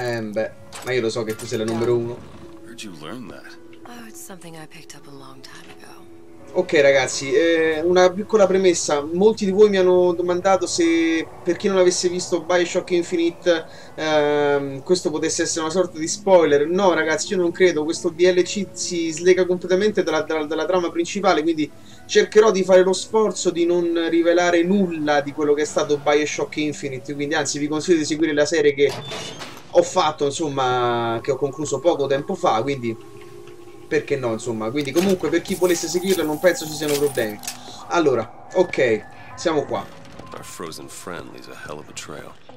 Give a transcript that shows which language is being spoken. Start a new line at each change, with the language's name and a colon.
Italian: Beh, ma io lo so che tu sei la numero uno.
English: Where'd you learn that? Oh, it's something I picked up a long time ago.
Italian: Ok, ragazzi, una piccola premessa. Molti di voi mi hanno domandato se, per chi non avesse visto Bioshock Infinite, questo potesse essere una sorta di spoiler. No, ragazzi, io non credo. Questo DLC si slega completamente dalla trama principale, quindi cercherò di fare lo sforzo di non rivelare nulla di quello che è stato Bioshock Infinite. Quindi, anzi, vi consiglio di seguire la serie che ho fatto, insomma, che ho concluso poco tempo fa, quindi... perché no, insomma. Quindi comunque, per chi volesse seguirlo, non penso ci siano problemi. Allora, ok, siamo qua.
English: Our frozen friend leaves a hell of a trail.